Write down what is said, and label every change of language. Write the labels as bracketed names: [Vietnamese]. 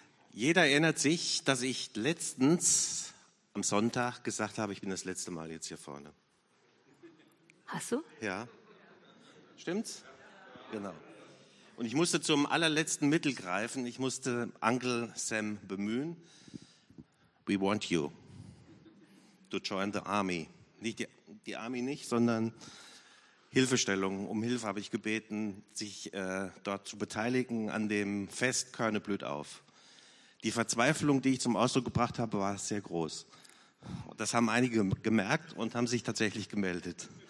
[German] Jeder erinnert sich, dass ich letztens am Sonntag gesagt habe, ich bin das letzte Mal jetzt hier vorne. Hast du? Ja. Stimmt's? Genau. Und ich musste zum allerletzten Mittel greifen. Ich musste Uncle Sam bemühen. [English] We want you to join the army. [German] Nicht die Army nicht, sondern Hilfestellung. Um Hilfe habe ich gebeten, sich dort zu beteiligen an dem Fest Körne blüht auf. Die Verzweiflung, die ich zum Ausdruck gebracht habe, war sehr groß. Das haben einige gemerkt und haben sich tatsächlich gemeldet.